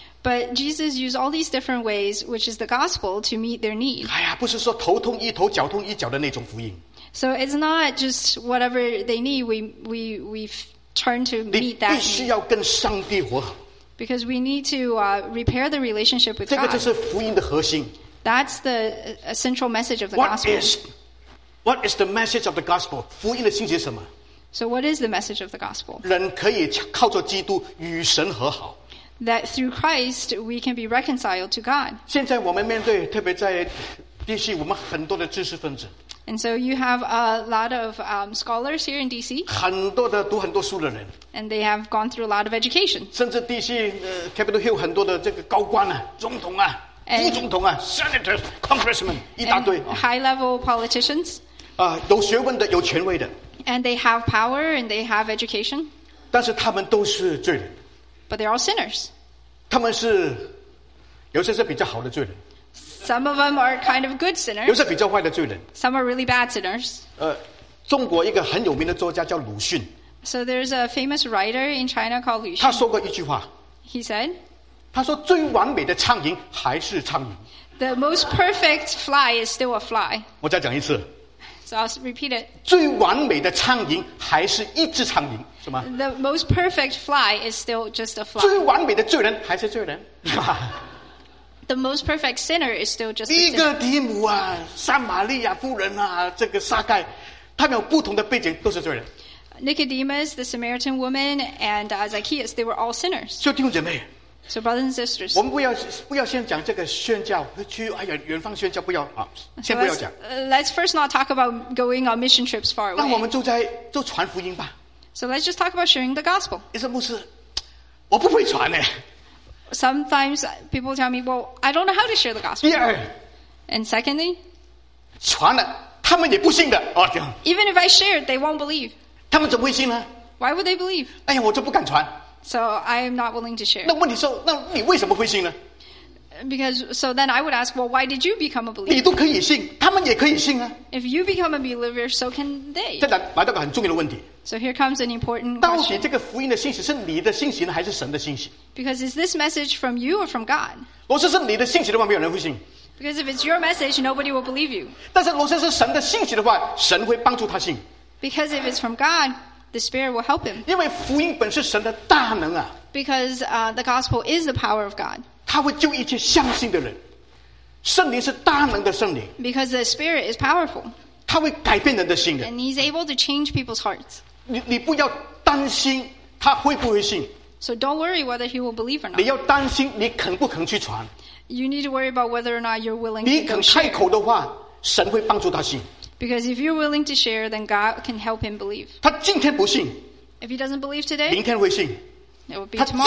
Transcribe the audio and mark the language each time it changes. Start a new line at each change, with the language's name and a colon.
English: But Jesus used all these different ways, which is the gospel, to meet their need.
Chinese: 哎呀，不是说头痛医头、脚痛医脚的那种福音。
English: So it's not just whatever they need. We turn to meet that.
Chinese: 你必须要跟上帝和好。
English: Because we need to repair the relationship with God.
Chinese: 这个就是福音的核心。
English: That's the central message of the gospel. What is the message of the gospel?
Chinese: 福音的信息是什么？
English: So what is the message of the gospel?
Chinese: 人可以靠着基督与神和好。
English: That through Christ we can be reconciled to God.
Chinese: 现在我们面对，特别在DC，我们很多的知识分子。
English: And so you have a lot of scholars here in DC.
Chinese: 很多的读很多书的人。
English: And they have gone through a lot of education.
Chinese: 甚至DC Capitol Hill 很多的这个高官啊，总统啊，副总统啊，
English: senators, congressmen
Chinese: 一大堆。
English: And high-level politicians.
Chinese: 啊，有学问的，有权威的。
English: And they have power and they have education.
Chinese: 但是他们都是罪人。
English: But they're all sinners.
Chinese: 他们是有些是比较好的罪人。
English: Some of them are kind of good sinners.
Chinese: 有些比较坏的罪人。
English: Some are really bad sinners.
Chinese: 中国一个很有名的作家叫鲁迅。
English: So there's a famous writer in China called 鲁迅。
Chinese: 他说过一句话。
English: He said.
Chinese: 他说最完美的苍蝇还是苍蝇。
English: The most perfect fly is still a fly.
Chinese: 我再讲一次。
English: So I'll repeat it.
Chinese: 最完美的苍蝇还是一只苍蝇，是吗
English: ？The most perfect fly is still just a fly.
Chinese: 最完美的罪人还是罪人。
English: The most perfect sinner is still just a sinner.
Chinese: 尼哥底母啊，撒玛利亚妇人啊，这个撒该，他们有不同的背景，都是罪人。
English: Nicodemus, the Samaritan woman, and Zacchaeus, they were all sinners.
Chinese: 所以弟兄姐妹。
English: So brothers and sisters,
Chinese: 我们不要先讲这个宣教，去哎呀远方宣教不要啊，先不要讲。
English: Let's first not talk about going on mission trips far away.
Chinese: 那我们就在就传福音吧。
English: So let's just talk about sharing the gospel.
Chinese: 一些牧师，我不会传呢。
English: Sometimes people tell me, well, I don't know how to share the gospel.
Chinese: 第二
English: ，and secondly,
Chinese: 传了他们也不信的哦。
English: Even if I shared, they won't believe.
Chinese: 他们怎么会信呢
English: ？Why would they believe?
Chinese: 哎呀，我就不敢传。
English: So I'm not willing to share.
Chinese: 那问题是，那你为什么会信呢
English: ？Because so then I would ask, well, why did you become a believer?
Chinese: 你都可以信，他们也可以信啊。
English: If you become a believer, so can they.
Chinese: 这来到个很重要的问题。
English: So here comes an important question.
Chinese: 到底这个福音的信息是你的信息呢，还是神的信息
English: ？Because is this message from you or from God?
Chinese: 罗斯是你的信息的话，没有人会信。
English: Because if it's your message, nobody will believe you.
Chinese: 但是罗斯是神的信息的话，神会帮助他信。
English: Because if it's from God. The Spirit will help him.
Chinese: 因为福音本是神的大能啊。
English: Because the gospel is the power of God.
Chinese: 他会救一切相信的人。圣灵是大能的圣灵。
English: Because the Spirit is powerful.
Chinese: 他会改变人的心的。
English: And he's able to change people's hearts.
Chinese: 你不要担心他会不会信。
English: So don't worry whether he will believe or not.
Chinese: 你要担心你肯不肯去传。
English: You need to worry about whether or not you're willing to share.
Chinese: 你肯开口的话，神会帮助他信。
English: Because if you're willing to share, then God can help him believe.
Chinese: 他今天不信,
English: if he doesn't believe today,
Chinese: 明天会信,
English: it will be tomorrow.